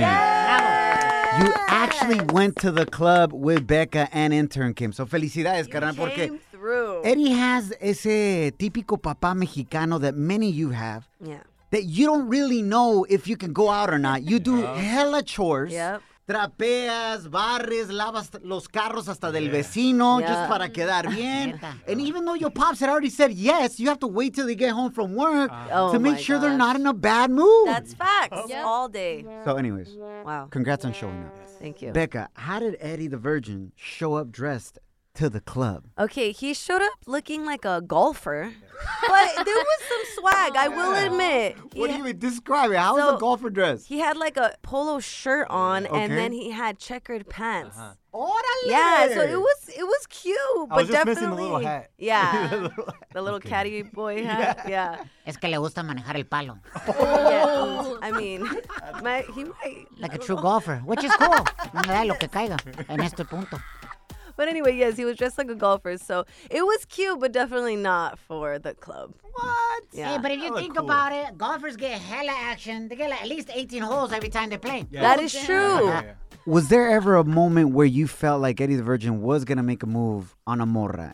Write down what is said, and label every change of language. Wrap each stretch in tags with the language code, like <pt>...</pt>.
<en>Yeah. You actually went to the club with Becca and intern Kim.</en> <es>So, felicidades, carnal.</es> <en>You came through. Eddie has</en> <es>ese típico papá mexicano</es> <en>that many of you have. Yeah. That you don't really know if you can go out or not. You do hella chores. Yep.</en> <es>Trapeas, barres, lavas los carros hasta del vecino just para quedar bien.</es> <en>And even though your pops had already said yes, you have to wait till they get home from work to make sure they're not in a bad mood. That's facts. Yep. All day. So anyways, congrats on showing up. Thank you. Becca, how did Eddie the Virgin show up dressed to the club? Okay, he showed up looking like a golfer. But there was some swag, I will admit. What do you mean? Describe it. How was a golfer dress? He had like a polo shirt on, and then he had checkered pants.</en> <es>Orale!</es> <en>Yeah, so it was cute, but I was just definitely missing the little hat. Yeah, the little caddy boy hat. Yeah.</en> <es>Es que le gusta manejar el palo.</es> <en>I mean, he might like a true golfer, which is cool.</en> <es>No me da lo que caiga en este punto.</es> <en>But anyway, yes, he was dressed like a golfer, so it was cute, but definitely not for the club. What? Yeah. Hey, but if you think about it, golfers get hella action. They get like at least 18 holes every time they play. Yeah. That is true. Was there ever a moment where you felt like Eddie the Virgin was going to make a move on a morra?</en>